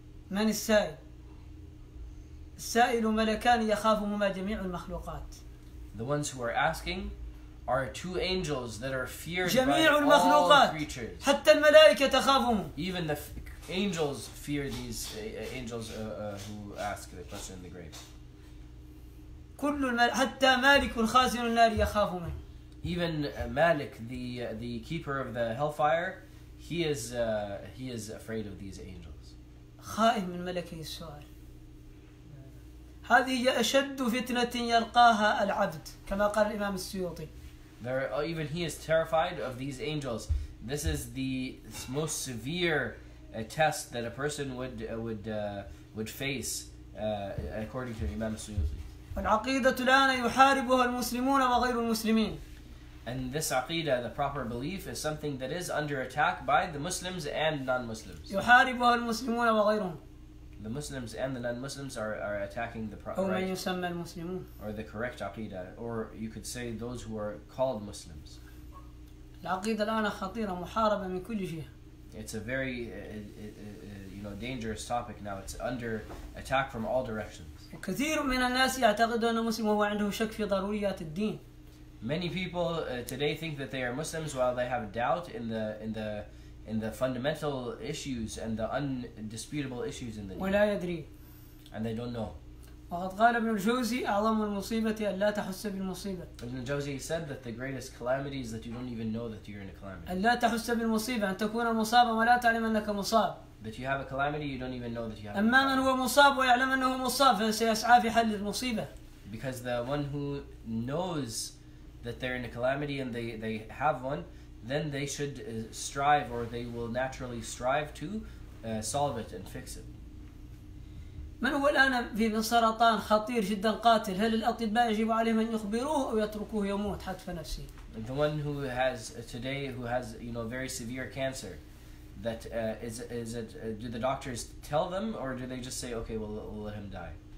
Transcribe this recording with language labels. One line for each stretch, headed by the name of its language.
Arabic: من السائل؟ السائل ملكان يخافهما جميع المخلوقات.
English: The ones who are asking are two angels that are feared by all creatures.
Arabic: حتى الملائكة تخافهم.
English: Even the angels fear these angels who ask the question in the grave.
Arabic: كل حتى مالك الخازن النار يخاف منه.
English: Even Malik, the keeper of the hellfire, he is afraid of these angels.
Arabic: خائف من ملكي السؤال. هذه أشد فتنة يلقاها العبد كما قال الإمام السيوطي.
English: There, even he is terrified of these angels. This is the most severe test that a person would face, according to Imam Suyuti.
Arabic: العقيدة الآن يحاربها المسلمون وغير المسلمين.
English: And this aqidah, the proper belief, is something that is under attack by the Muslims and non-Muslims.
Arabic: يحاربها المسلمون وغيرهم.
English: The Muslims and the non-Muslims are attacking the proper.
Arabic: أو من يسمى المسلمون.
English: Or the correct aqidah, or you could say those who are called Muslims.
Arabic: العقيدة الآن خطيرة محاربة من كل جهة.
English: It's a very dangerous topic now. It's under attack from all directions.
Arabic: كثير من الناس يعتقد أنه مسلم وهو عنده شك في ضروريات الدين.
English: Many people today think that they are Muslims while they have doubt in the fundamental issues and the undisputable issues in the deen.
Arabic: ولا يدري.
English: And they don't know.
Arabic: وقد قال ابن الجوزي أعظم المصيبة أن لا تحس بالمصيبة.
English: Ibn al-Jawzi said that the greatest calamity is that you don't even know that you're in a calamity.
Arabic: أن لا تحس بالمصيبة أن تكون مصابا ولا تعلم أنك مصاب.
English: That you have a calamity, you don't even know that you have.
Arabic: أما من هو مصاب ويعلم أنه مصاب فسيسعى في حل المصيبة.
English: Because the one who knows that they're in a calamity and they have one, then they should strive, or they will naturally strive to solve it and fix it.
Arabic: من هو الآن في سرطان خطير جدا قاتل هل الأطباء يجب عليهم أن يخبروه أو يتركوه يموت حتف نفسه؟
English: The one who has today who has very severe cancer. That do the doctors tell them, or do they just say, okay, we'll let him die?